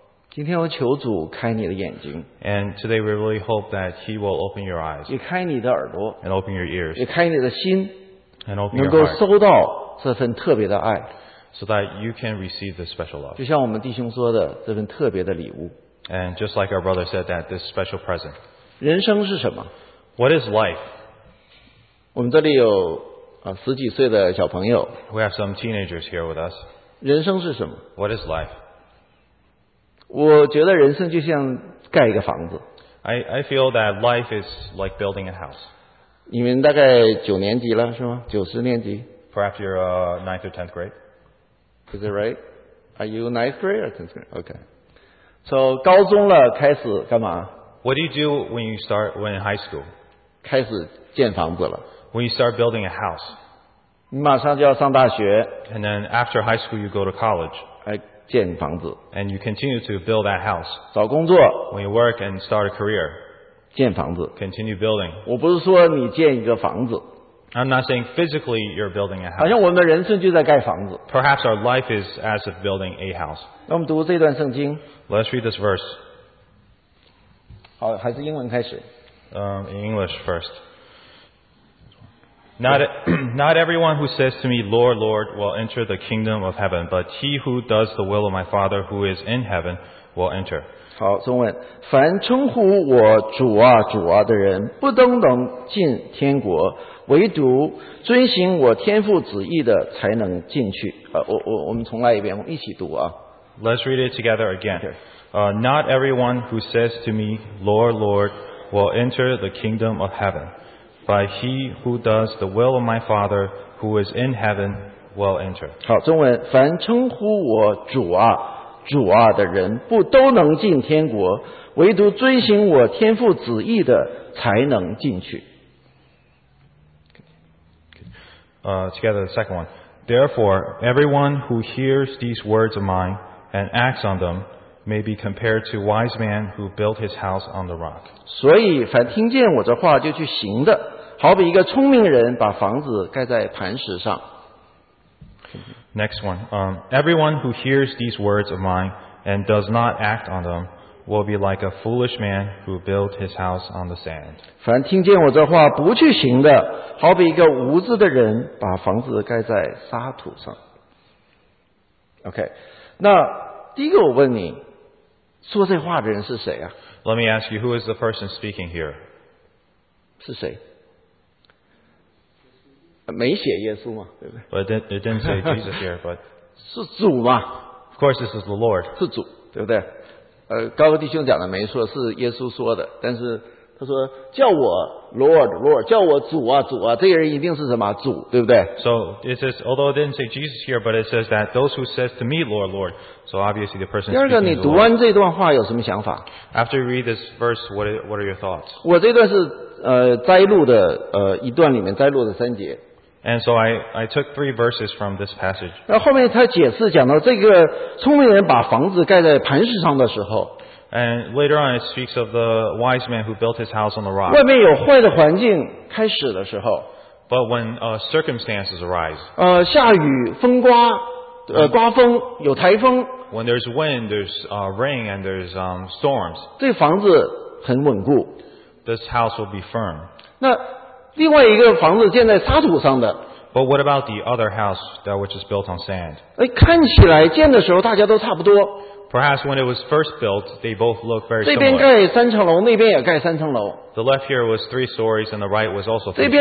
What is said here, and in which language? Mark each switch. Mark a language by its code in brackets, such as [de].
[zh] 今天我求主开你的眼睛。 [en] And today we really hope that He will open your eyes。 [zh] 也开你的耳朵。 [en] And open your ears。 [zh] 也开你的心。 [en] And open your heart。 [zh] 能够收到这份特别的爱。 [en] So that you can receive this special love. [zh] 就像我们弟兄说的，这份特别的礼物。 [en] And just like our brother said that, this special present. [zh] 人生是什么？ [en] What is life? [zh] 我们这里有十几岁的小朋友。 [en] We have some teenagers here with us. [zh] 人生是什么？ [en] What is life? [zh] 我觉得人生就像盖一个房子。 [en] I feel that life is like building a house. [zh] 你们大概九年级了是吗？九十年级。 [en] Perhaps you're ninth or tenth grade. Is it right? Are you ninth grade or tenth grade? Okay. So [zh] 高中了开始干嘛？ [en] What do you do when you start when in high school? [zh] 开始建房子了。 [en] When you start building a house. [zh] 你马上就要上大学。 [en] And then after high school you go to college. [zh] 建房子。 [en] And you continue to build that house. [zh] 找工作。 [en] When you work and start a career. [zh] 建房子。 [en] Continue building. [zh] 我不是说你建一个房子。 [en] I'm not saying physically you're building a house. [zh] 好像我们的人生就在盖房子。 [en] Perhaps our life is as if building a house. [zh] 那我们读这段圣经。 [en] Let's read this verse. [zh] 好，还是英文开始。 [en] In English first. Not everyone who says to me, Lord, Lord, will enter the kingdom of heaven, but he who does the will of my Father who is in heaven will enter. [zh] 好，中文。凡称呼我主啊主啊的人，不登能进天国。唯独遵行我天父旨意的才能进去。我们重来一遍，我们一起读啊。 [en] Let's read it together again. Not everyone who says to me, Lord, Lord, will enter the kingdom of heaven, but he who does the will of my Father who is in heaven will enter. [zh] 好，中文，凡称呼我主啊、主啊的人，不都能进天国，唯独遵行我天父旨意的才能进去。 [en] Together the second one. Therefore, everyone who hears these words of mine and acts on them may be compared to wise man who built his house on the rock. [zh] 所以凡听见我这话就去行的，好比一个聪明人把房子盖在磐石上。 [en] Next one. Everyone who hears these words of mine and does not act on them will be like a foolish man who built his house on the sand. [zh] 凡听见我这话不去行的，好比一个无知的人把房子盖在沙土上。 OK， 那第一个我问你，说这话的人是谁啊？ [en] Let me ask you, who is the person speaking here? [zh] 是谁？没写耶稣嘛，对不对？ [en] But it didn't say Jesus here, but [zh] 是主嘛。 [en] Of course this is the Lord. [zh] 是主，对不对？高哥弟兄讲的没错，是耶稣说的，但是他说叫我 [en] Lord, Lord, [zh] 叫我主啊主啊，这个人一定是什么主，对不对？ [en] So it says, although it didn't say Jesus here, but it says that those who says to me, Lord, Lord, so obviously the person speaking to the Lord. [zh] 第二个，你读完这段话有什么想法？ [en] After you read this verse, what are your thoughts? [zh] 我这段是摘录的一段里面摘录的三节。 [en] And so I took three verses from this passage. [zh] 然后后面他解释讲到这个聪明人把房子盖在磐石上的时候。 [en] And later on it speaks of the wise man who built his house on the rock. [zh] 外面有坏的环境开始的时候。 [en] But when circumstances arise. [zh] 下雨风刮刮风有台风。 [en] When there's wind, there's rain and there's storms. [zh] 这房子很稳固。 [en] This house will be firm. [zh] 那另外一个房子建在沙土上的。 [en] But what about the other house that which is built on sand? [zh] 看起来建的时候大家都差不多。 [en] Perhaps when it was first built, they both looked very similar. [zh] 这边盖三层楼，那边也盖三层楼。 [en] The left here was three stories and the right was also three